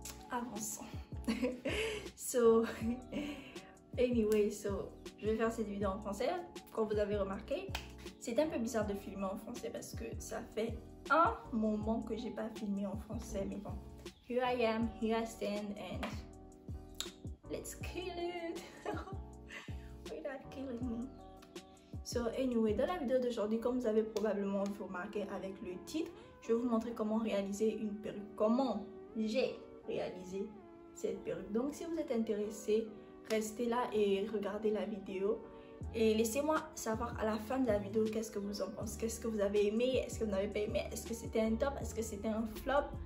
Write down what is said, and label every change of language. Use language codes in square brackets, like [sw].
[fr] Avançons. So, je vais faire cette vidéo en français. Comme vous avez remarqué, c'est un peu bizarre de filmer en français parce que ça fait un moment que j'ai pas filmé en français. Mais bon, [en] here I am, here I stand, and let's kill it without killing me. [fr] So, dans la vidéo d'aujourd'hui, comme vous avez probablement remarqué avec le titre, je vais vous montrer comment réaliser une perruque. Comment j'ai réalisé cette perruque. Donc, si vous êtes intéressé, restez là et regardez la vidéo et laissez-moi savoir à la fin de la vidéo qu'est-ce que vous en pensez, qu'est-ce que vous avez aimé, est-ce que vous n'avez pas aimé, est-ce que c'était un top, est-ce que c'était un flop.